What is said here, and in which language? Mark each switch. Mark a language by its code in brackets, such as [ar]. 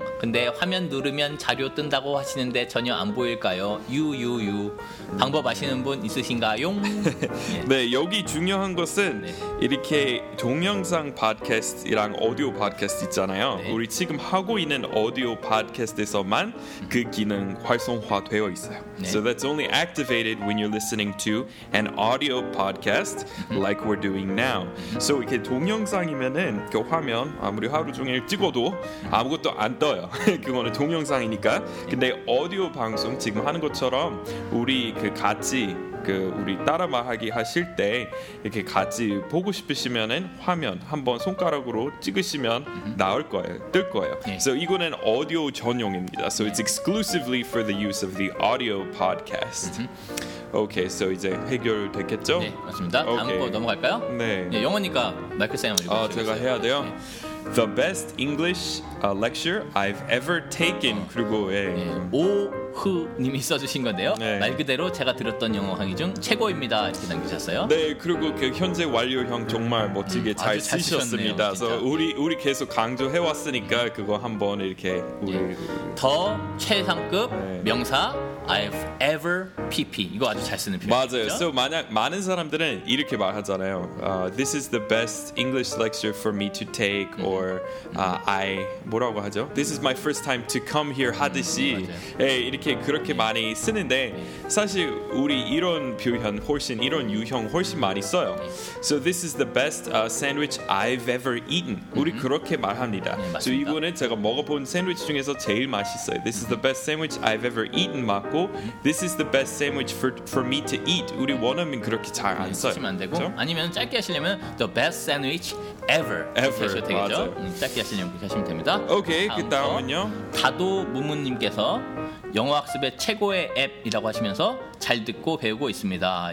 [ko] 근데 화면 누르면 자료 뜬다고 하시는데 전혀 안 보일까요? 유유유. 방법 아시는 분 있으신가요? 네. 네, 여기 중요한 것은 네. 이렇게 동영상 팟캐스트랑 오디오 팟캐스트 있잖아요. 네. 우리 지금 하고 있는 오디오 팟캐스트에서만 그 기능 활성화되어 있어요. 네. [en] So that's only activated when you're listening to an audio podcast like we're doing now. [ko] So 이렇게 동영상이면은 그 화면 아무리 하루 종일 찍어도 아무것도 안 떠요. 그거는 동영상이니까. 근데 오디오 방송 지금 하는 것처럼 우리 그 같이 그 우리 따라 말하기 하실 때 이렇게 같이 보고 싶으시면은 화면 한번 손가락으로 찍으시면 나올 거예요. 뜰 거예요. 네. So 이거는 오디오 전용입니다. [en] So it's exclusively for the use of the audio podcast. [ko] 오케이, okay, so 이제 해결됐겠죠? 네, 맞습니다. 다음 okay. 거 넘어갈까요? 네. 네 영어니까 마이클쌤 한번 읽어주세요. 제가 해야 돼요? 네. [en] The best English lecture I've ever taken. [ko] 그리고 예. 네. 오 후님이 써주신 건데요. 네. 말 그대로 제가 들었던 영어 강의 중 최고입니다. 이렇게 남기셨어요. 네, 그리고 그 현재 완료형 정말 멋지게 잘 쓰셨습니다. 그래서 우리 계속 강조해 왔으니까 그거 한번 이렇게 우리 네. 더 최상급 네. 명사 [en] I've ever PP [ko] 이거 아주 잘 쓰는 표현. 맞아요. 그래서 so 만약 많은 사람들은 이렇게 말하잖아요. [en] This is the best English lecture for me to take or I [ko] 뭐라고 하죠? [en] This is my first time to come here [ko] 하듯이 에 이렇게 그렇게 많이 쓰는데 사실 우리 이런 표현 훨씬 이런 유형 훨씬 많이 써요. [en] So this is the best sandwich I've ever eaten. [ko] 우리 그렇게 말합니다. 네, so 이거는 제가 먹어본 샌드위치 중에서 제일 맛있어요. [en] This is the best sandwich I've ever eaten [ko] 맞고 [en] This is the best sandwich for me to eat. [ko] 우리 원어민 그렇게 잘 안 써요. 쓰시면 안 되고 그렇죠? 아니면 짧게 하시려면 [en] The best sandwich ever [ko] 하셔도 되겠죠. 짧게 하시려면 그렇게 하시면 됩니다. 오케이 그 다음은요. 다도 무무님께서 영어 학습의 최고의 앱이라고 하시면서 잘 듣고 배우고 있습니다.